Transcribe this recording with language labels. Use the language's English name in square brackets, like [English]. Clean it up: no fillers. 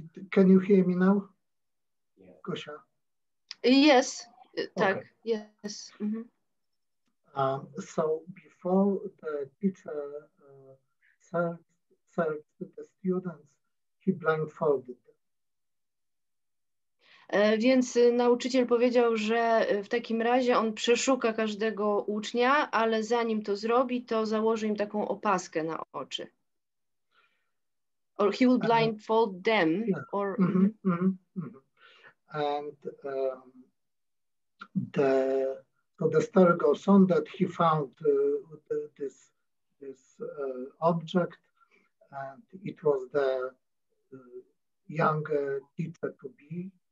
[English] Can you hear me now? Yeah. Kusha? Yes, tak, okay. Yes. Mm-hmm. So before the teacher served the students, he blindfolded them. [Polish] Więc nauczyciel powiedział, że w takim razie on przeszuka każdego ucznia, ale zanim to zrobi, to założy im taką opaskę na oczy. [English] Or he will blindfold them. Yeah. Or... Mm-hmm, mm-hmm, mm-hmm. And the story goes on that he found this object, and it was the younger teacher to be.